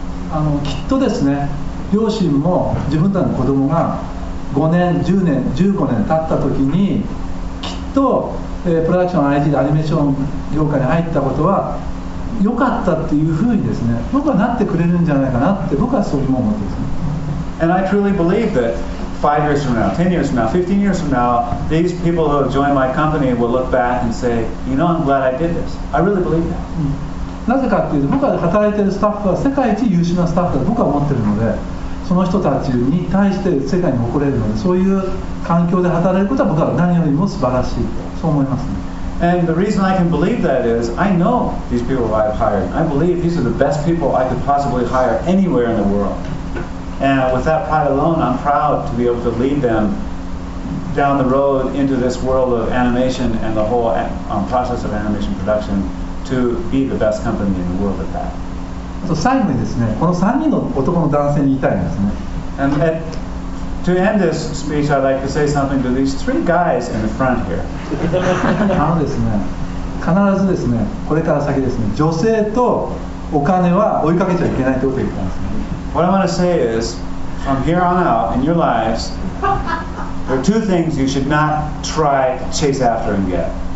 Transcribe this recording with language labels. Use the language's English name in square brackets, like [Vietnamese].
[Japanese] あのきっとですね、両親も自分たちの子供が5年、10年、15年経ったときにきっと、プロダクション IG でアニメーション業界に入ったことは良かったっていうふうにですね、僕はなってくれるんじゃないかなって僕はそういうふうに思ってますね。 [English] And I truly believe that 5 years from now, 10 years from now, 15 years from now, these people who have joined my company will look back and say, you know, I'm glad I did this. I really believe that. [Japanese] なぜかっていうと、僕が働いているスタッフは世界一優秀なスタッフだと僕は思っているので、その人たちに対して世界に誇れるので、そういう環境で働けることは僕は何よりも素晴らしいと、そう思いますね。 [English] And the reason I can believe that is, I know these people I've hired. I believe these are the best people I could possibly hire anywhere in the world. And with that pride alone, I'm proud to be able to lead them down the road into this world of animation and the whole process of animation production. To be the best company in the world at that. And to end this speech, I'd like to say something to these three guys in the front here. [Japanese] あのですね、必ずですね、これから先ですね、女性とお金は追いかけちゃいけないということを言ったんですね。 [English] What I want to say is, from here on out in your lives, there are two things you should not try to chase after and get.